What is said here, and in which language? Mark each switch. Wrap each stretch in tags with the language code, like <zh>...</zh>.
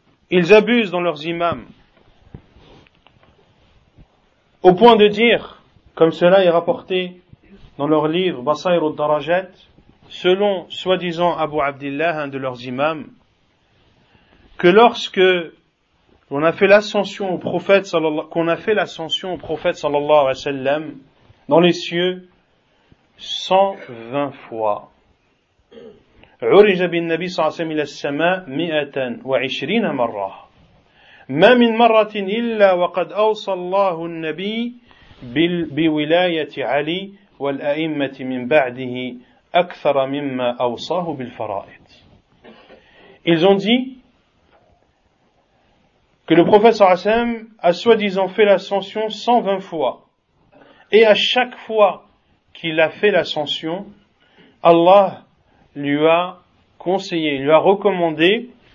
<fr>Ils abusent dans leurs imams, au point de dire, comme cela est rapporté dans leur livre « Basair al-Darajat », selon, soi-disant, Abu Abdillah, un de leurs imams, que lorsque on a fait l'ascension au prophète, sallallahu alayhi wa sallam, dans les cieux, 120 fois.</fr> <ar>عرج بالنبي صلى الله عليه وسلم إلى السماء 120 مرة ما من مرة إلا وقد أوصى الله النبي بولاية علي والأئمة من بعده أكثر مما أوصاه بالفرائض.</ar> <fr>Ils ont dit que le prophète صلى الله عليه وسلم a soi-disant fait l'ascension 120 fois, et à chaque fois qu'il a fait l'ascension, Allah lui a conseillé, lui a recommandé</fr>